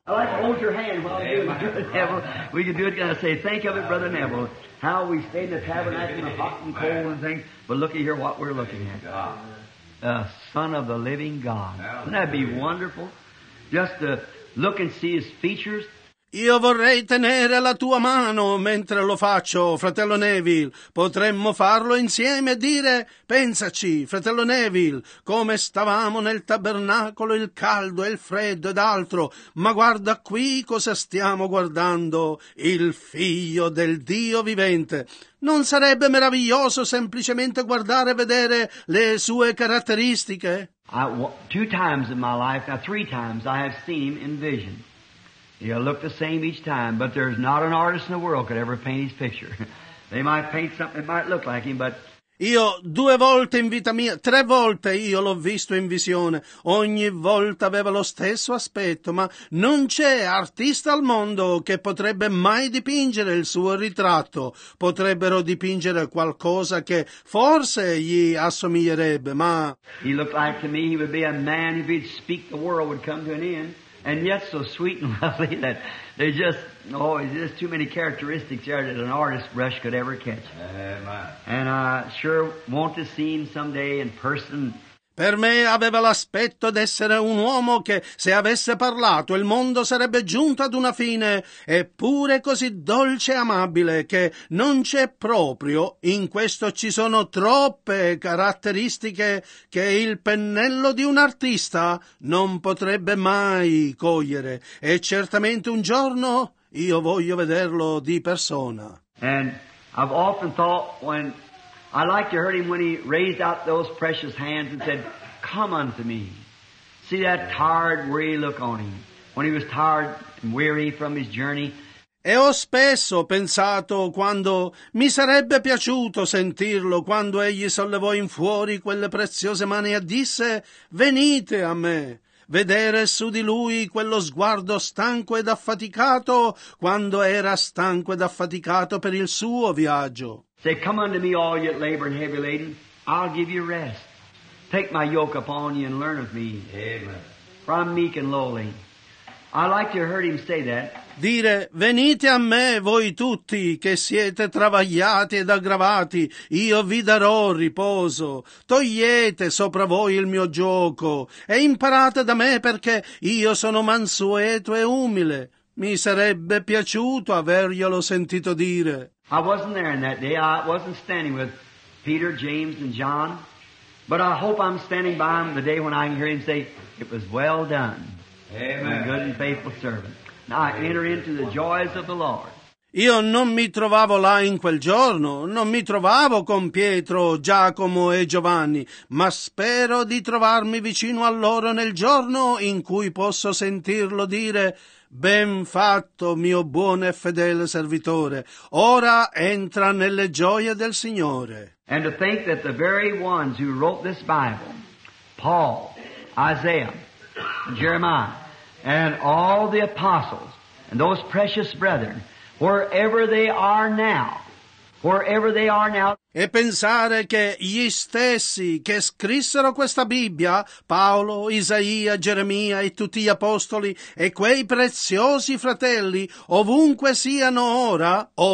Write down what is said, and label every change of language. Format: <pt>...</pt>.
<en>I like to hold your hand while you do it, Neville. We can do it, and I say, think of it, Brother Neville, how we stay in the tabernacle in the hot and cold and things, but look here what we're looking at. The Son of the Living God. Wouldn't that be wonderful? Just to look and see his features.</en> <it>Io vorrei tenere la tua mano mentre lo faccio, fratello Neville. Potremmo farlo insieme e dire, pensaci, fratello Neville, come stavamo nel tabernacolo, il caldo e il freddo ed altro. Ma guarda qui cosa stiamo guardando, il figlio del Dio vivente. Non sarebbe meraviglioso semplicemente guardare e vedere le sue caratteristiche?</it> <en>Two times in my life, now three times, I have seen him in vision. He'll look the same each time, but there's not an artist in the world could ever paint his picture. They might paint something that might look like him, but...</en> <it>Io due volte in vita mia, tre volte io l'ho visto in visione. Ogni volta aveva lo stesso aspetto, ma non c'è artista al mondo che potrebbe mai dipingere il suo ritratto. Potrebbero dipingere qualcosa che forse gli assomiglierebbe, ma...</it> <en>He looked like to me, he would be a man, if he'd speak the world would come to an end. And yet so sweet and lovely that they just, there's too many characteristics there that an artist brush could ever catch. And I sure want to see him someday in person.</en> <it>Per me aveva l'aspetto d'essere un uomo che, se avesse parlato, il mondo sarebbe giunto ad una fine, eppure così dolce e amabile che non c'è proprio. In questo ci sono troppe caratteristiche che il pennello di un artista non potrebbe mai cogliere. E certamente un giorno io voglio vederlo di persona.</it> <en>And I've often thought when... I like to hear him when he raised out those precious hands and said, come unto me. See that tired, weary look on him, when he was tired and weary from his journey.</en> <it>E ho spesso pensato quando mi sarebbe piaciuto sentirlo, quando egli sollevò in fuori quelle preziose mani e disse, venite a me. Vedere su di lui quello sguardo stanco ed affaticato, quando era stanco ed affaticato per il suo viaggio.</it> <en>Say, come unto me, all ye labor and heavy laden, I'll give you rest. Take my yoke upon you and learn of me. Amen. For I'm meek and lowly. I like to hear him say that.</en> <it>Dire, venite a me voi tutti che siete travagliati ed aggravati, io vi darò riposo. Togliete sopra voi il mio gioco e imparate da me perché io sono mansueto e umile. Mi sarebbe piaciuto averglielo sentito dire.</it> <en>I wasn't there in that day. I wasn't standing with Peter, James, and John. But I hope I'm standing by him the day when I can hear him say, it was well done. Amen. A good and faithful servant. Now I enter into the joys of the Lord.</en> <it>Io non mi trovavo là in quel giorno, non mi trovavo con Pietro, Giacomo e Giovanni, ma spero di trovarmi vicino a loro nel giorno in cui posso sentirlo dire, ben fatto, mio buon e fedele servitore, ora entra nelle gioie del Signore.</it> <en>And to think that the very ones who wrote this Bible, Paul, Isaiah, Jeremiah, and all the apostles, and those precious brethren, wherever they are now, wherever they are now.</en> <it>E pensare che gli stessi che scrissero questa Bibbia, Paolo, Isaia, Geremia e tutti gli apostoli, e quei preziosi fratelli, ovunque siano ora,</it>